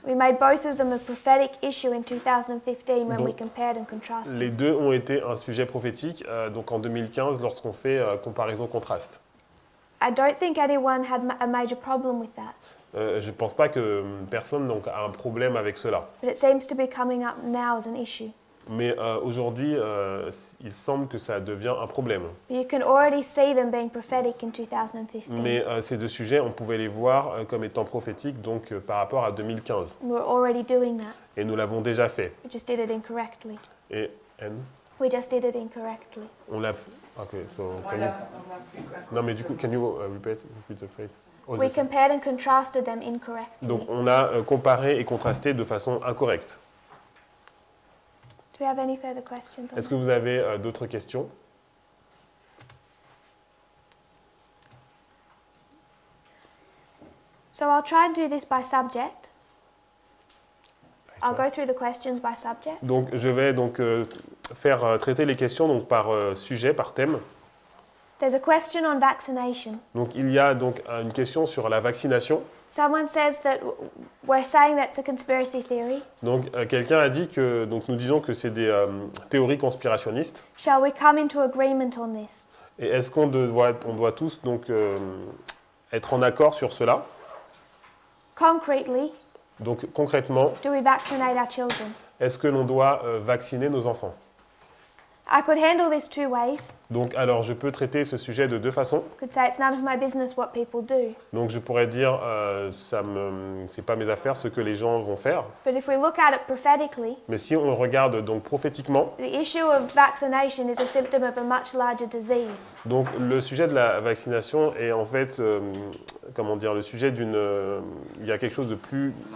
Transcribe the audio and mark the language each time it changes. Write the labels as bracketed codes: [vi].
[en] We made both of them a prophetic issue in 2015 when we compared and contrasted. [fr] Les deux ont été un sujet prophétique donc en 2015 lorsqu'on fait comparaison contraste. [en] I don't think anyone had a major problem with that. [fr] Je pense pas que personne donc a un problème avec cela. [en] But it seems to be coming up now as an issue. [fr] Mais aujourd'hui, il semble que ça devient un problème. [en] You can already see them being prophetic in 2015. [fr] Mais ces deux sujets, on pouvait les voir comme étant prophétiques donc par rapport à 2015. [en] We're already doing that. [fr] Et nous l'avons déjà fait. [en] We just did it incorrectly. [fr] Et Anne? [en] We just did it incorrectly. [fr] On l'a [en] okay, so can you... [fr] Non mais du coup, [en] can you repeat the phrase? We compared and contrasted them incorrectly. [fr] Donc on a comparé et contrasté de façon incorrecte. [en] Do we have any further questions? [fr] Est-ce que vous avez d'autres questions? [en] So I'll try and do this by subject. I'll go through the questions by subject. [fr] Donc je vais donc faire traiter les questions donc par sujet, par thème. [en] There's a question on vaccination. [fr] Donc il y a donc une question sur la vaccination. [en] Someone says that we're saying that's a conspiracy theory. [fr] Donc quelqu'un a dit que donc nous disons que c'est des théories conspirationnistes. [en] Shall we come into agreement on this? [fr] Et est-ce qu'on doit tous donc être en accord sur cela? [en] Concretely. [fr] Donc concrètement. [en] Do we vaccinate our children? [fr] Est-ce que l'on doit vacciner nos enfants? [en] I could handle this two ways. [fr] Donc, alors, je peux traiter ce sujet de deux façons. [en] I could say it's none of my business what people do. [fr] Donc, je pourrais dire, c'est pas mes affaires ce que les gens vont faire. [en] But if we look at it prophetically, [fr] mais si on regarde donc prophétiquement, [en] the issue of vaccination is a symptom of a much larger disease. [fr] Donc, le sujet de la vaccination est en fait, comment dire, le sujet d'une, il y a quelque chose de plus.